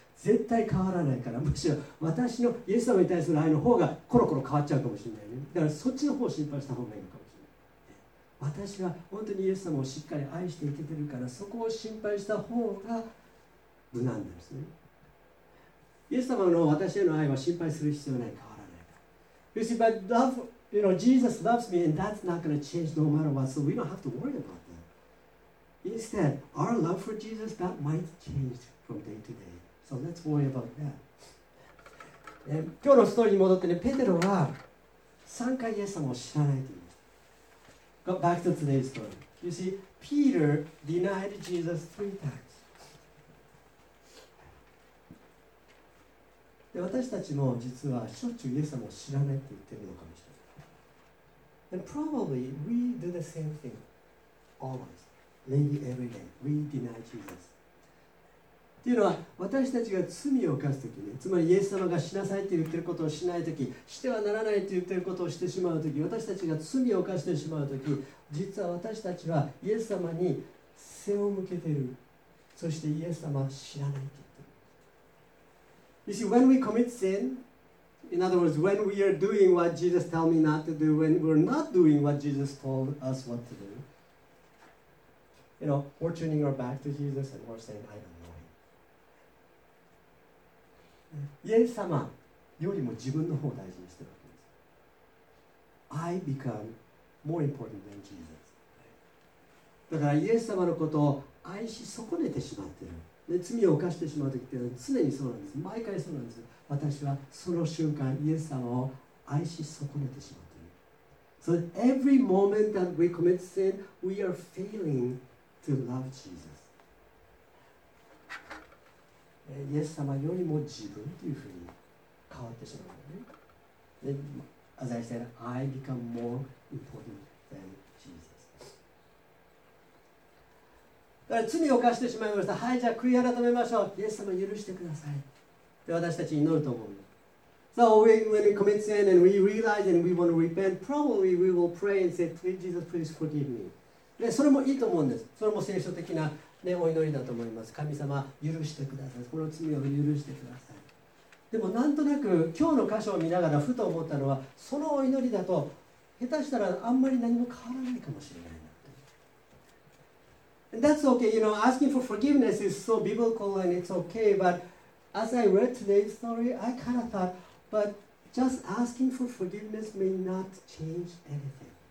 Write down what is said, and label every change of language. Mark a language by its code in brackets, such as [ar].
[ja] 絶対変わらないから、むしろ私のイエス様に対する愛の方がコロコロ変わっちゃうかもしれないね。だからそっちの方を心配した方がいいかもしれない。私は本当にイエス様をしっかり愛していけてるから、そこを心配した方が無難なんですね。イエス様の私への愛は心配する必要ない、変わらないから。 [en] You see, but love, you know, Jesus loves me and that's not going to change no matter what, so we don't have to worry about that. Instead, our love for Jesus, that might change from day to day. So let's worry about that. [ja] 今日のストーリーに戻ってね、ペテロは3回イエス様を知らないと言いました。 [en] Go back to today's story. You see, Peter denied Jesus three times. [ja] で、私たちも実はしょっちゅうイエス様を知らないと言ってるのかもしれない。 [en] And probably we do the same thing always. Maybe every day we deny Jesus. [ja] というのは、私たちが罪を犯すときね、つまりイエス様がしなさいと言っていることをしないとき、してはならないと言っていることをしてしまうとき、私たちが罪を犯してしまうとき、実は私たちはイエス様に背を向けている。そしてイエス様は知らないと言っている。 [en] You see, when we commit sin, in other words, when we are doing what Jesus tells me not to do, when we're not doing what Jesus told us what to do, you know, we're turning our back to Jesus and we're saying, I don't. [ja] イエス様よりも自分の方を大事にしてるわけです。 [en] I become more important than Jesus。 [ja] だからイエス様のことを愛し損ねてしまってる。で、罪を犯してしまうときっていうのは常にそうなんです。毎回そうなんです。私はその瞬間イエス様を愛し損ねてしまってる。 [en] So every moment that we commit sin, we are failing to love Jesus. [ja] イエス様よりも自分というふうに変わってしまうね。 [en] で、As I said, I become more important than Jesus. [ja] だから罪を犯してしまいました。はい、じゃあ悔い改めましょう。イエス様許してください。で、私たち祈ると思う。 [en] So when we commit sin and we realize and we want to repent, probably we will pray and say, Please, Jesus, please forgive me. [ja] で、それもいいと思うんです。それも聖書的なね、お祈りだと思います。神様、許してください。この罪を許してください。でも、なんとなく、今日の箇所を見ながらふと思ったのは、そのお祈りだと、下手したらあんまり何も変わらないかもしれないなと。 [en] That's okay. You know, asking for forgiveness is so biblical and it's okay. But as I read today's story, I kind of thought, but just asking for forgiveness may not change anything.